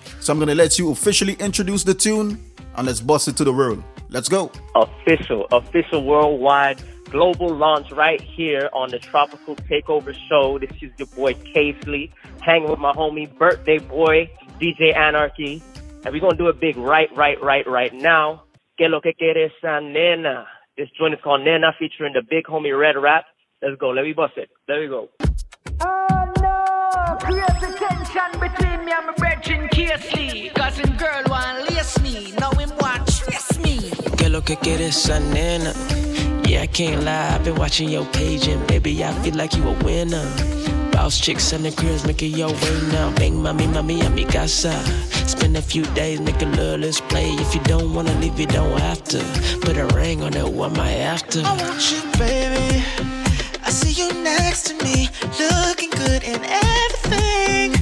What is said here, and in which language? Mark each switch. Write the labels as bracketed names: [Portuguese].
[English] So I'm going to let you officially introduce the tune, and let's bust it to the world. Let's go. Official worldwide global launch right here on the Tropical Takeover Show. This is your boy Casely, hanging with my homie, birthday boy, DJ Anarchy. And we're going to do a big right now. [Spanish] Que lo que quiere esa nena? [English] This joint is called Nena, featuring the big homie Red Rat. Let's go. Let me bust it. There we go. Oh, no. Here's the tension between me and my brethren, Casely. Cousin girl want to lace me. Now him want to trace me. [Spanish] Que lo que quiere esa nena? [English] Yeah, I can't lie. I've been watching your page and baby, I feel like you a winner. Boss chicks and the girls making your way now. Bang, mami, [Spanish] a mi casa. [English] Spend a few days, make a little, let's play. If you don't wanna leave, you don't have to. Put a ring on it, what am I after? I want you, baby. I see you next to me, looking good in everything.